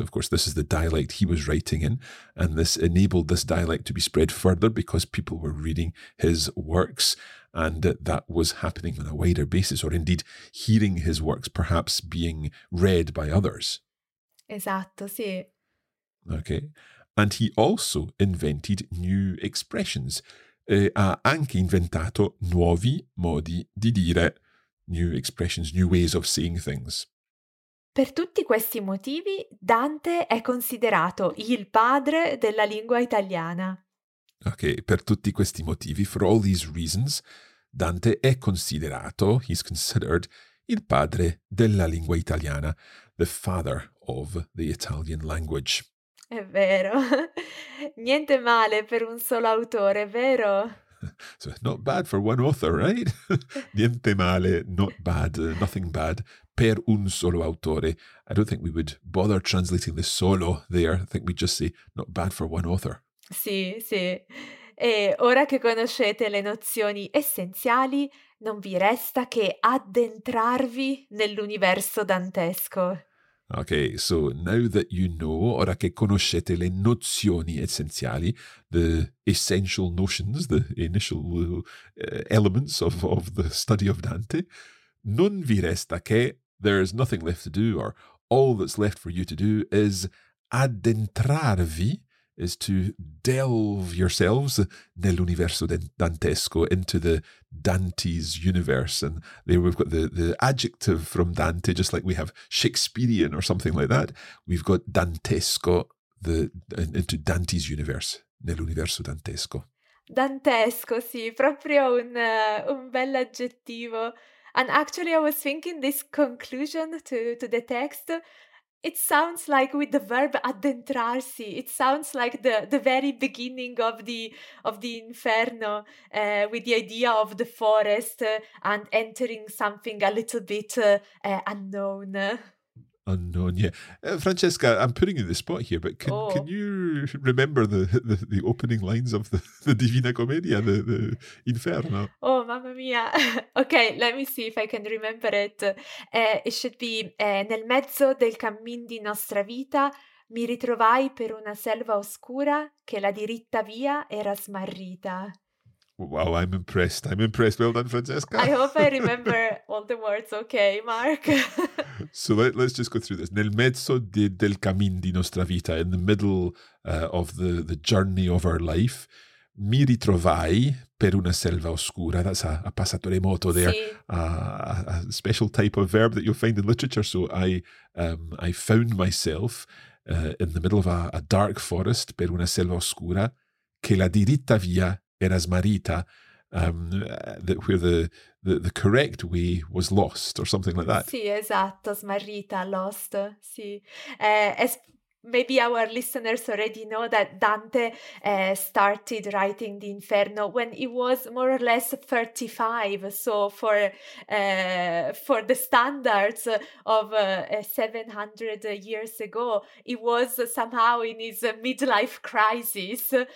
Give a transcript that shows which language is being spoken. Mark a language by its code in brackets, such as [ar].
[en] Of course, this is the dialect he was writing in, and this enabled this dialect to be spread further because people were reading his works, and that was happening on a wider basis, or indeed hearing his works perhaps being read by others. [it] Esatto, sì. [en] Okay. And he also invented new expressions. [it] E ha anche inventato nuovi modi di dire, [en] new expressions, new ways of saying things. [it] Per tutti questi motivi, Dante è considerato il padre della lingua italiana. Ok, per tutti questi motivi, [en] for all these reasons, [it] Dante è considerato, [en] he's considered, [it] il padre della lingua italiana, [en] the father of the Italian language. [it] È vero. Niente male per un solo autore, vero? [en] So not bad for one author, right? [it] Niente male, [en] not bad, nothing bad [it] per un solo autore. [en] I don't think we would bother translating the solo there. I think we'd just say not bad for one author. [it] Sì, sì. E ora che conoscete le nozioni essenziali, non vi resta che addentrarvi nell'universo dantesco. [en] Okay, so now that you know, [it] ora che conoscete le nozioni essenziali, [en] the essential notions, the initial elements of the study of Dante, [it] non vi resta che, [en] there is nothing left to do, or all that's left for you to do is [it] addentrarvi, [en] is to delve yourselves [it] nell'universo dantesco, [en] into the Dante's universe. And there we've got the adjective from Dante, just like we have Shakespearean or something like that. We've got dantesco, into Dante's universe, [it] nell'universo dantesco. Dantesco, sì, proprio un bel aggettivo. [en] And actually I was thinking this conclusion to the text, it sounds like with the verb addentrarsi, it sounds like the very beginning of the inferno, with the idea of the forest and entering something a little bit unknown. Unknown, yeah. Francesca, I'm putting you in the spot here, but can you remember the opening lines of the Divina Commedia, the Inferno? [it] Oh, mamma mia. [en] Okay, let me see if I can remember it. It should be, [it] nel mezzo del cammin di nostra vita mi ritrovai per una selva oscura che la diritta via era smarrita. [en] Wow, I'm impressed. I'm impressed. Well done, Francesca. I hope I remember all the words okay, Mark. So let's just go through this. [it] Nel mezzo del cammin di nostra vita, [en] in the middle of the journey of our life, [it] mi ritrovai per una selva oscura. [en] That's a passato remoto there. [it] Sì. [en] A special type of verb that you'll find in literature. So I found myself in the middle of a dark forest, [it] per una selva oscura, che la diritta via era smarrita, [en] where the correct way was lost or something like that. [it] Sì, esatto, smarrita, [en] lost, [it] sì. [en] As maybe our listeners already know that Dante started writing the Inferno when he was more or less 35. So for the standards of 700 years ago, he was somehow in his midlife crisis.